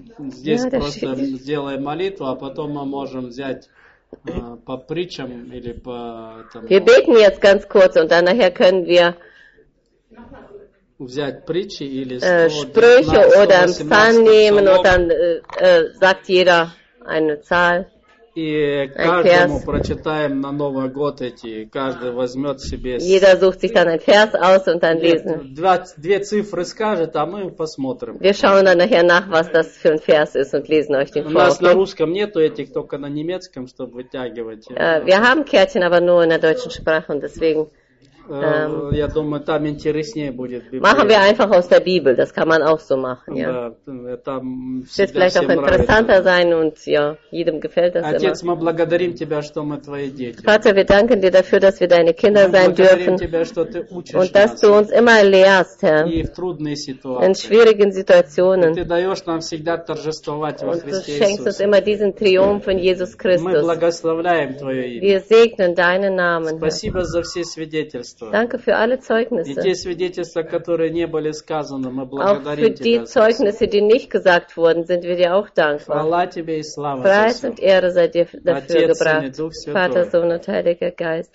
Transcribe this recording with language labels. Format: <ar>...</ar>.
<ru>Здесь просто сделаем молитву, а потом мы можем взять по притчам или по там.</ru> <de>Wir beten jetzt ganz kurz und dann nachher können wir</de> <ru>взять притчи или</ru> <de>Sprüche oder Psalm nehmen und dann sagt jeder eine Zahl.</de> <ru>И каждому прочитаем на Новый год эти, каждый возьмет себе.</ru> <de>Jeder sucht sich dann ein Vers aus und dann lesen.</de> <ru>Две цифры скажет, а мы посмотрим.</ru> <de>Wir schauen dann nachher nach, was das für ein Vers ist und lesen euch den vor.</de> <ru>У нас на русском нету этих, только на немецком, чтобы вытягивать.</ru> <de>Wir haben Kärtchen, aber nur in der deutschen Sprache und deswegen.</de> <ru>Я думаю, там интереснее будет.</ru> <de>Machen wir einfach aus der Bibel, das kann man auch so machen, ja. Es wird vielleicht auch interessanter sein und ja, jedem gefällt das.</de> <ru>Отец,</ru> <de>immer.</de> <ru>Мы благодарим тебя, что мы твои дети.</ru> <de>Vater, wir danken dir dafür, dass wir deine Kinder sein dürfen.</de> <ru>Тебя, что ты учишь</ru> <de>und dass du uns immer lehrst, Herr.</de> <ru>И в трудные ситуации.</ru> <de>In schwierigen Situationen.</de> <ru>Ты даешь нам всегда торжествовать во</ru> <de>Христе Иисусе. Und du schenkst uns immer diesen Triumph in Jesus Christus.</de> <ru>Мы благословляем твое имя.</ru> <de>Wir segnen deinen Namen.</de> <ru>Спасибо за все свидетельства.</ru> <de>Danke für alle Zeugnisse.</de> <ru>И те свидетельства, которые не были сказаны, мы благодарим тебя.</ru> <de>Auch für die Zeugnisse, die nicht gesagt wurden, sind wir dir auch dankbar.</de> <ru>Хвала тебе и слава.</ru> <de>Preis und Ehre sei dir dafür</de> <ru>Отец,</ru> <de>gebracht.</de> <ru>Сын, Дух Святой.</ru> <de>Vater, Sohn und Heiliger Geist.</de>